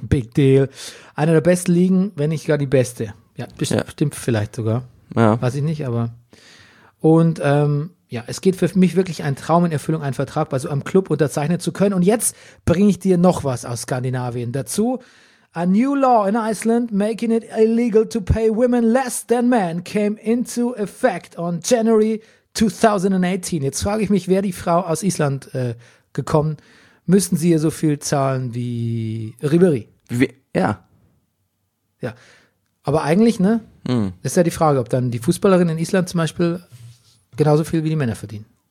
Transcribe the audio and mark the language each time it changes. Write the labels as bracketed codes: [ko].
[en] Big deal. [de] Einer der besten Ligen, wenn nicht gar die beste. Ja, bestimmt vielleicht sogar. Ja. Weiß ich nicht, aber. Und es geht für mich wirklich ein Traum in Erfüllung, einen Vertrag bei so einem Club unterzeichnen zu können. Und jetzt bringe ich dir noch was aus Skandinavien dazu. [en] A new law in Iceland making it illegal to pay women less than men came into effect on January 2018. [de] Jetzt frage ich mich, wer die Frau aus Island gekommen, müssen sie ihr so viel zahlen wie Ribéry? Ja. Ja, aber eigentlich, ne, ist ja die Frage, ob dann die Fußballerin in Island zum Beispiel genauso viel wie die Männer verdienen.